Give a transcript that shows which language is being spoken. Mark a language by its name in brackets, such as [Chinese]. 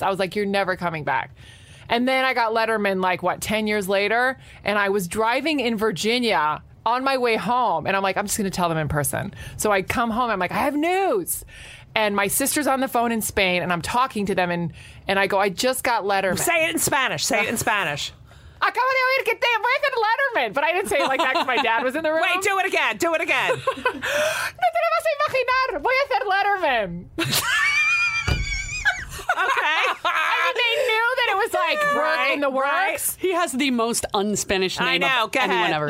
[English] I was like, you're never coming back. And then I got Letterman like, what, 10 years later? And I was driving in Virginia on my way home. And I'm like, I'm just going to tell them in person. So I come home. I'm like, I have news. And my sister's on the phone in Spain, and I'm talking to them, and I go, I just got Letterman. Say it in Spanish. Say it in Spanish. [Spanish] Acabo de oír que te ofrecen Letterman. [English] But I didn't say it like that because my dad was in the room. Wait, do it again. Do it again. [Spanish] No te lo vas a imaginar. Voy a hacer Letterman. [English] Okay. I mean, they knew that it was like work in the works. Right. He has the most un-Spanish name of anyone ever.